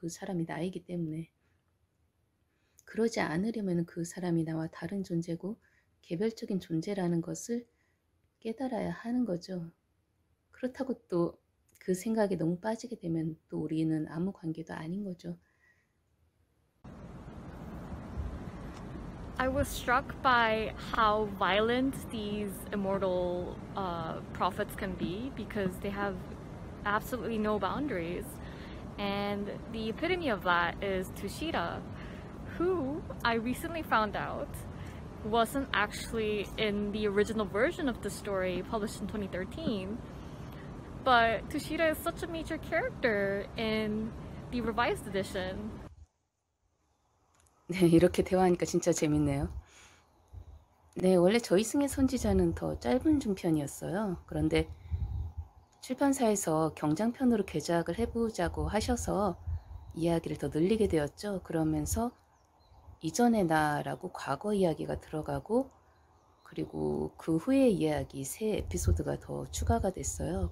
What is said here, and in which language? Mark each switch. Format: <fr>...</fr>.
<ko>그 사람이 나이기 때문에. 그러지 않으려면 그 사람이 나와 다른 존재고 개별적인 존재라는 것을 깨달아야 하는 거죠. 그렇다고 또그 생각에 너무 빠지게 되면 또 우리는 아무 관계도 아닌 거죠.</ko> <en>I was struck by how violent these immortal prophets can be because they have absolutely no boundaries. And the epitome of that is Tushita, who I recently found out wasn't actually in the original version of the story published in 2013. But Tushita is such a major character in the revised edition.</en> <ko>네, 이렇게 대화하니까 진짜 재밌네요. 네, 원래 저이승의 선지자는 더 짧은 중편이었어요. 그런데 출판사에서 경장편으로 개작을 해보자고 하셔서 이야기를 더 늘리게 되었죠. 그러면서 이전의 나라고 과거 이야기가 들어가고, 그리고 그 후의 이야기 세 에피소드가 더 추가가 됐어요.</ko>